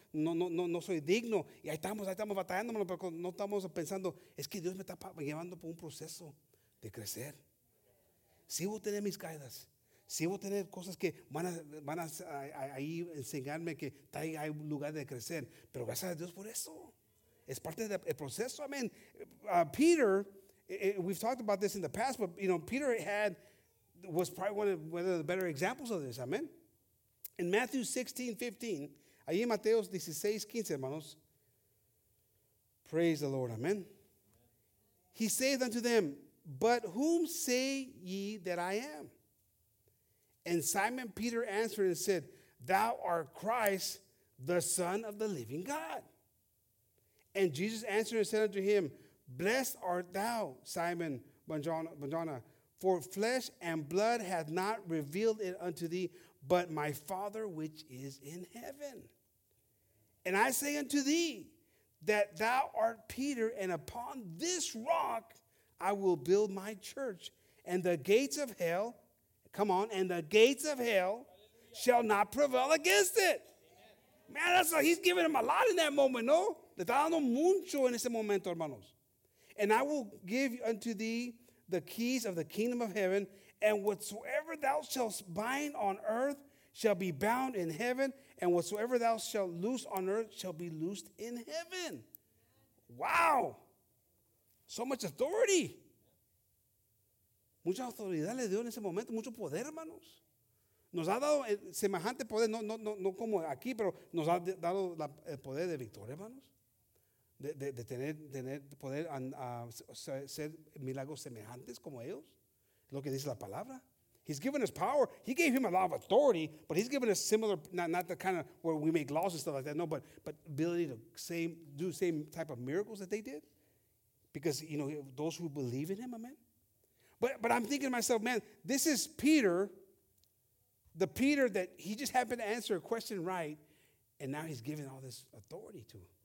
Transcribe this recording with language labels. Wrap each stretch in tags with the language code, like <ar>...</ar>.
<es>No soy digno. Y ahí estamos batallándonos, pero no estamos pensando, es que Dios me está llevando por un proceso de crecer. Sí voy a tener mis caídas. Sí voy a tener cosas que van a enseñarme que está ahí, hay un lugar de crecer. Pero gracias a Dios por eso. Es parte del proceso. Amén.</es> <en>Peter, we've talked about this in the past, but you know, Peter was probably one of the better examples of this. Amen. In Matthew 16:15, ahí en Mateo 16:15, hermanos. Praise the Lord. Amen. He saith unto them, but whom say ye that I am? And Simon Peter answered and said, thou art Christ, the Son of the living God. And Jesus answered and said unto him, blessed art thou, Simon Bar-Jonah, for flesh and blood hath not revealed it unto thee, but my Father which is in heaven. And I say unto thee that thou art Peter, and upon this rock I will build my church, and the gates of hell, come on, and the gates of hell, hallelujah, shall not prevail against it. Amen. Man, that's a, he's giving him a lot in that moment, no?</en> <es>Le está dando mucho en ese momento, hermanos.</es> <en>And I will give unto thee the keys of the kingdom of heaven, and whatsoever thou shalt bind on earth shall be bound in heaven, and whatsoever thou shalt loose on earth shall be loosed in heaven. Wow. So much authority.</en> <es>Mucha autoridad le dio en ese momento, mucho poder, hermanos. Nos ha dado semejante poder, no como aquí, pero nos ha dado el poder de victoria, hermanos. De tener poder ser milagros semejantes como ellos. Lo que dice la palabra.</es> <en>He's given us power. He gave him a lot of authority, but he's given us similar, not the kind of where we make laws and stuff like that. No, but ability to do same type of miracles that they did. Because, you know, those who believe in him, amen. But I'm thinking to myself, man, this is Peter, the Peter that he just happened to answer a question right, and now he's given all this authority to.</en>